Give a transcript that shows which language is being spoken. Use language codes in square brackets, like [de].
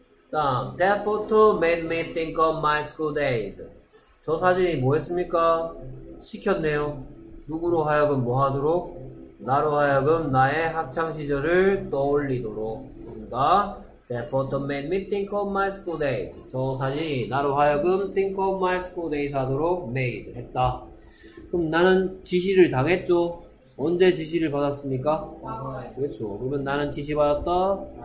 [en] 다음 that photo made me think of my school days. [ko] 저 사진이 뭐 했습니까? 시켰네요. 누구로 하여금 뭐하도록? 나로 하여금 나의 학창시절을 떠올리도록. 그렇습니다. [en] That photo made me think of my school days. [ko] 저 사진이 나로 하여금 [en] think of my school days [ko] 하도록 made 했다. 그럼 나는 지시를 당했죠. 언제 지시를 받았습니까? 그렇죠. 그러면 나는 지시받았다.